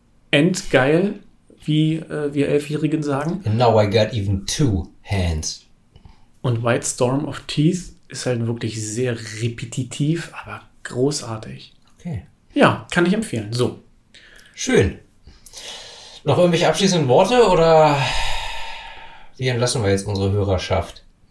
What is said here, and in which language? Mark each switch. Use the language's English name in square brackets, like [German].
[German] Endgeil, wie wir Elfjährigen sagen. [English] And now I got even two hands. [German] Und White Storm of Teeth ist halt wirklich sehr repetitiv, aber großartig. Okay. Ja, kann ich empfehlen. So. Schön. Noch irgendwelche abschließenden Worte oder wie entlassen wir jetzt unsere Hörerschaft?